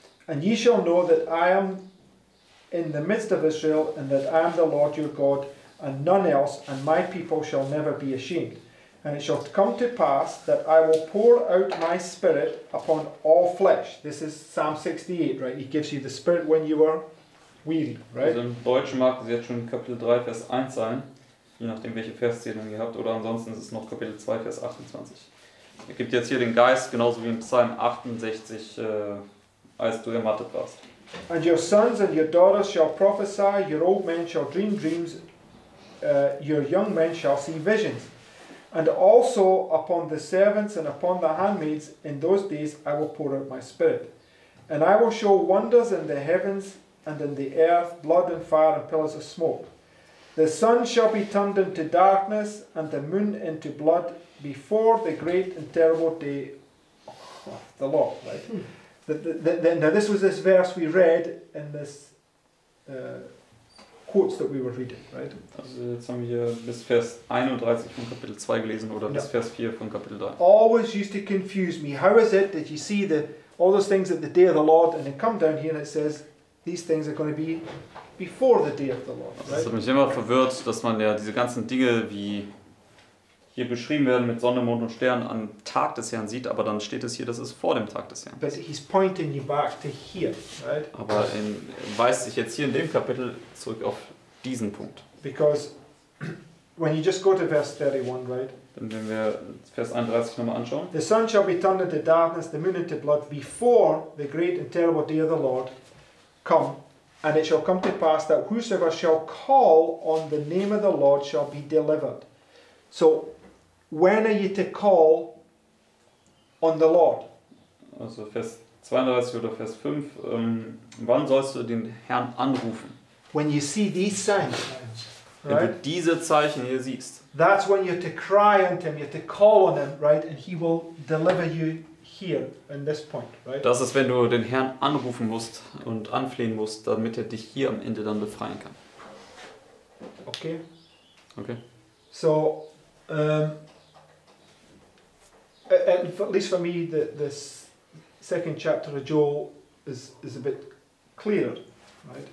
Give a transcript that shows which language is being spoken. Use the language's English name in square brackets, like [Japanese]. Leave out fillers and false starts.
[English] And ye shall know that I am in the midst of Israel, and that I am the Lord your God, and none else, and my people shall never be ashamed. And it shall come to pass that I will pour out my spirit upon all flesh. This is Psalm 68, right? He gives you the spirit when you are weary, right? [German] Also im Deutschen mag es jetzt schon Kapitel 3, Vers 1 sein, je nachdem welche Verszählung ihr habt, oder ansonsten ist es noch Kapitel 2, Vers 28. Er gibt jetzt hier den Geist, genauso wie in Psalm 68, als du ermattet warst. [English] And your sons and your daughters shall prophesy, your old men shall dream dreams, your young men shall see visions. And also upon the servants and upon the handmaids in those days I will pour out my spirit. And I will show wonders in the heavens and in the earth, blood and fire and pillars of smoke. The sun shall be turned into darkness and the moon into blood before the great and terrible day of the Lord. Right? Hmm. Now this was this verse we read in this quotes that we were reading, right? [German] Also jetzt haben wir bis Vers 31 von Kapitel 2 gelesen oder bis Vers 4 von Kapitel 3. [English] Always used to confuse me. How is it that you see the all those things at the day of the Lord and then come down here and it says these things are going to be before the day of the Lord, right? [German] Das hat mich immer verwirrt, dass man ja diese ganzen Dinge wie hier beschrieben werden mit Sonne, Mond und Sternen am Tag des Herrn sieht, aber dann steht es hier, das ist vor dem Tag des Herrn. [English] But he's pointing you back to here, right? [German] Aber er weist sich jetzt hier in dem Kapitel zurück auf diesen Punkt. [English] Because when you just go to verse 31, right? [German] Dann wenn wir Vers 31 nochmal anschauen. [English] The sun shall be turned into darkness, the moon into blood, before the great and terrible day of the Lord come. And it shall come to pass that whosoever shall call on the name of the Lord shall be delivered. So, when are you to call on the Lord? [German] Also Vers 32 oder Vers 5, wann sollst du den Herrn anrufen? [English] When you see these signs, [German] wenn du diese Zeichen hier siehst. [English] That's when you're to cry unto him, you're to call on him, right? And he will deliver you here in this point, right? [German] Das ist, wenn du den Herrn anrufen musst und anflehen musst, damit er dich hier am Ende dann befreien kann. Okay. Okay. [English] So, at least for me, this second chapter of Joel is a bit clearer, right?